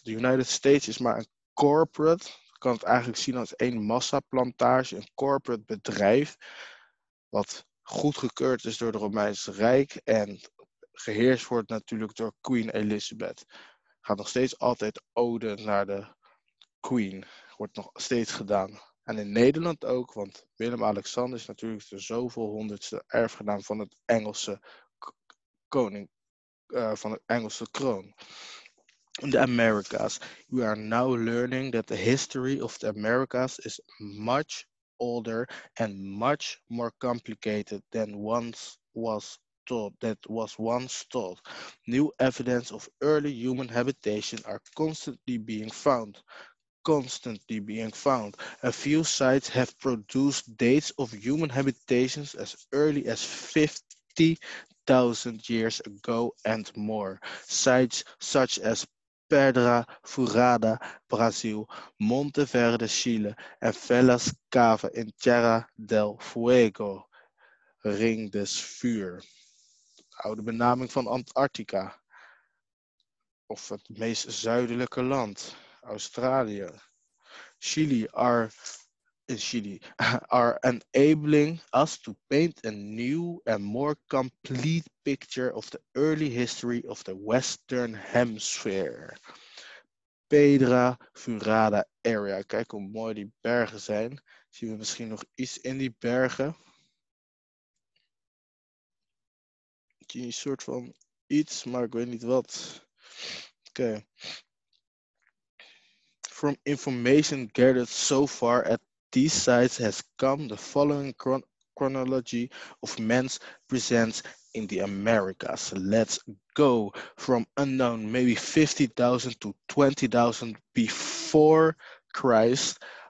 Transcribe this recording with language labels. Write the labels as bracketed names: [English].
[Dutch] De United States is maar een corporate, je kan het eigenlijk zien als één massaplantage, een corporate bedrijf, wat goedgekeurd is door het Romeinse Rijk en geheerst wordt natuurlijk door Queen Elizabeth. Gaat nog steeds altijd ode naar de Queen, wordt nog steeds gedaan. En in Nederland ook, want Willem-Alexander is natuurlijk de zoveel honderdste erfgenaam van het Engelse koning. van de Engelse kroon. [English] The Americas. We are now learning that the history of the Americas is much older and much more complicated than once was thought. New evidence of early human habitation are constantly being found. A few sites have produced dates of human habitations as early as 50,000 years ago and more. Sites such as Pedra Furada, Brazil, Monteverde, Chile, and Velas Cave in Tierra del Fuego, Ring des Vuur. [Dutch] Oude benaming van Antarctica. Of het meest zuidelijke land, Australië. [English] Chili are enabling us to paint a new and more complete picture of the early history of the Western Hemisphere. Pedra Furada area. [Dutch] Kijk hoe mooi die bergen zijn. Zien we misschien nog iets in die bergen? Zie een soort van iets, maar ik weet niet wat. Oké. Okay. [English] From information gathered so far at these sites has come the following chronology of men's presence in the Americas. Let's go from unknown, maybe 50,000 to 20,000 before Christ.